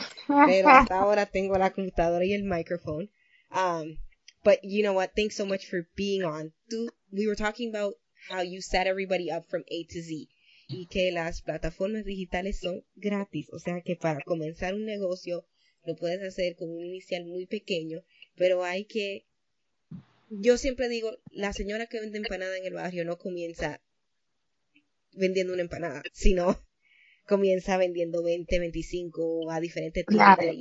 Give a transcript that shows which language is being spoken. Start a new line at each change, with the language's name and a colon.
Spanish: Pero hasta ahora tengo la computadora y el microphone.
English: But you know what? Thanks so much for being on. We were talking about how you set everybody up from A to Z.
Spanish: Y que las plataformas digitales son gratis. O sea que para comenzar un negocio lo puedes hacer con un inicial muy pequeño. Pero hay que... Yo siempre digo, la señora que vende empanada en el barrio no comienza vendiendo una empanada, sino comienza vendiendo 20, 25 a diferentes tiendas, claro.